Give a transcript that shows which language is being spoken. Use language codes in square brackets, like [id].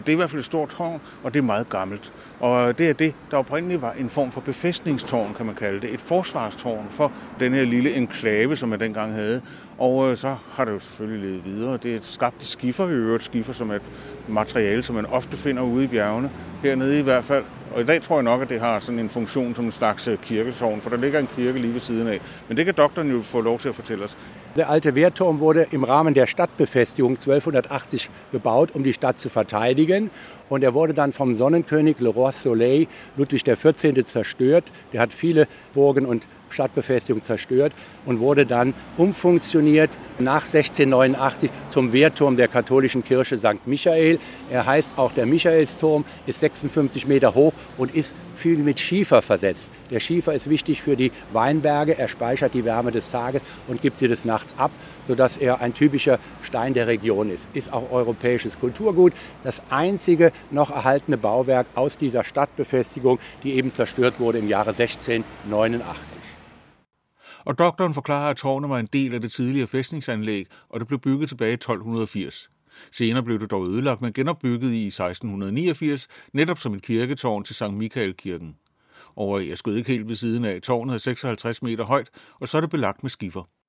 [da] Det er i hvert fald et stort tårn, og det er meget gammelt. Og det er det, der oprindeligt var en form for befæstningstårn, kan man kalde det. Et forsvarstårn for den her lille enklave, som man dengang havde. Og så har det jo selvfølgelig levet videre. Det er skabt i skifer i øvrigt. Skifer som et materiale, som man ofte finder ude i bjergene. Hernede i hvert fald. Og i dag tror jeg nok, at det har sådan en funktion som en slags kirketårn, for der ligger en kirke lige ved siden af. Men det kan doktoren jo få lov til at fortælle os. [de] Der alte Wehrturm wurde im Rahmen der Stadtbefestigung 1280 gebaut, um die Stadt zu verteidigen. Und wurde dann vom Sonnenkönig Le Roi Soleil, Ludwig XIV. Zerstört. Der hat viele Burgen und Stadtbefestigung zerstört und wurde dann umfunktioniert nach 1689 zum Wehrturm der katholischen Kirche St. Michael. Er heißt auch der Michaelsturm, ist 56 Meter hoch und ist viel mit Schiefer versetzt. Der Schiefer ist wichtig für die Weinberge, er speichert die Wärme des Tages und gibt sie des Nachts ab, sodass er ein typischer Stein der Region ist. Ist auch europäisches Kulturgut, das einzige noch erhaltene Bauwerk aus dieser Stadtbefestigung, die eben zerstört wurde im Jahre 1689. [da] Og doktoren forklarer, at tårnet var en del af det tidligere fæstningsanlæg, og det blev bygget tilbage i 1280. Senere blev det dog ødelagt, men genopbygget i 1689, netop som et kirketårn til Sankt Mikael-kirken. Og jeg skød ikke helt ved siden af, tårnet er 56 meter højt, og så er det belagt med skifer.